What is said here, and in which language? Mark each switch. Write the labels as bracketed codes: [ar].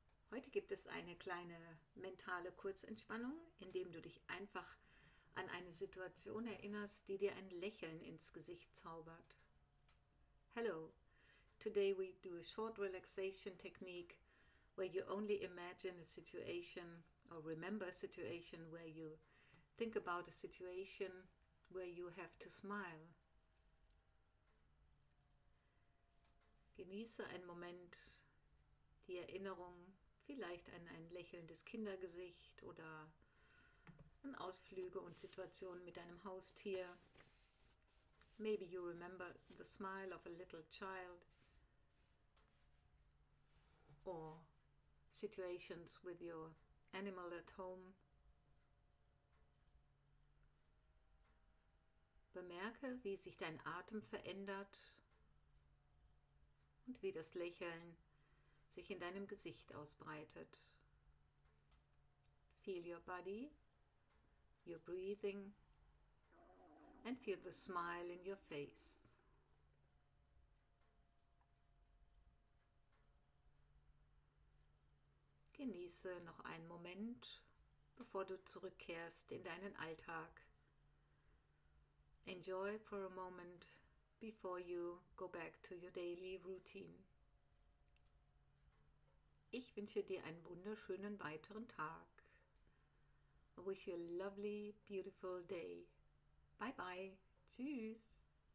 [de] Heute gibt es eine kleine mentale Kurzentspannung, indem du dich einfach an eine Situation erinnerst, die dir ein Lächeln ins Gesicht zaubert. [en] Hello, today we do a short relaxation technique where you only imagine a situation or remember a situation where you think about a situation where you have to smile. [de] Genieße einen Moment die Erinnerung, vielleicht an ein lächelndes Kindergesicht oder an Ausflüge und Situationen mit deinem Haustier. [en] Maybe you remember the smile of a little child or situations with your animal at home. [de] Bemerke, wie sich dein Atem verändert und wie das Lächeln sich in deinem Gesicht ausbreitet. [en] Feel your body, your breathing, and feel the smile in your face. [de] Genieße noch einen Moment, bevor du zurückkehrst in deinen Alltag. [en] Enjoy for a moment before you go back to your daily routine. [de] Ich wünsche dir einen wunderschönen weiteren Tag. [en] I wish you a lovely, beautiful day. Bye bye. [de] Tschüss.